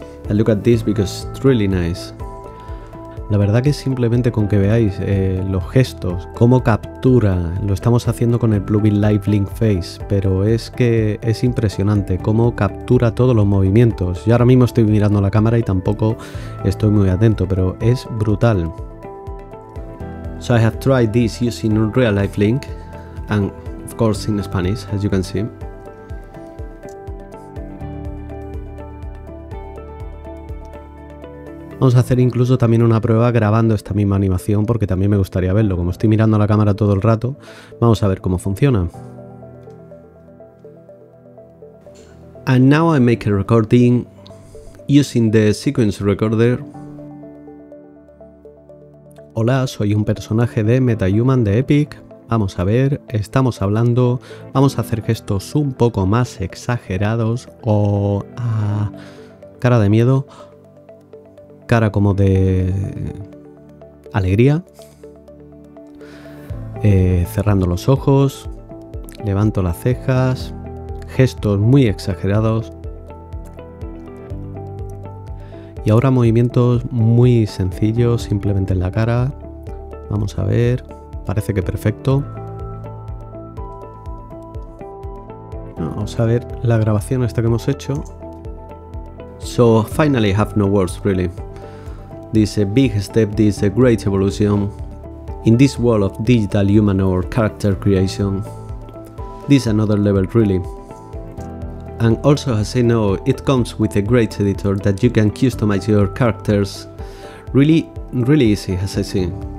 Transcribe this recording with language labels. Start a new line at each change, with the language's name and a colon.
English: I look at this because it's really nice.
Spanish: La verdad que simplemente con que veáis los gestos, cómo captura, lo estamos haciendo con el plugin Live Link Face, pero es que es impresionante cómo captura todos los movimientos. Yo ahora mismo estoy mirando la cámara y tampoco estoy muy atento, pero es brutal.
English: So I have tried this using Unreal Live Link, and of course in Spanish, as you can see.
Spanish: Vamos a hacer incluso también una prueba grabando esta misma animación porque también me gustaría verlo. Como estoy mirando a la cámara todo el rato, vamos a ver cómo funciona.
English: And now I make a recording using the sequence recorder.
Spanish: Hola, soy un personaje de MetaHuman de Epic. Vamos a ver, estamos hablando, vamos a hacer gestos un poco más exagerados o cara de miedo. Cara como de alegría, cerrando los ojos, levanto las cejas, gestos muy exagerados y ahora movimientos muy sencillos, simplemente en la cara. Vamos a ver, parece que perfecto. Vamos a ver la grabación esta que hemos hecho.
English: So finally I have no words really. This a big step, this a great evolution in this world of digital human or character creation. This another level really. And also as I know, it comes with a great editor that you can customize your characters really, really easy as I see.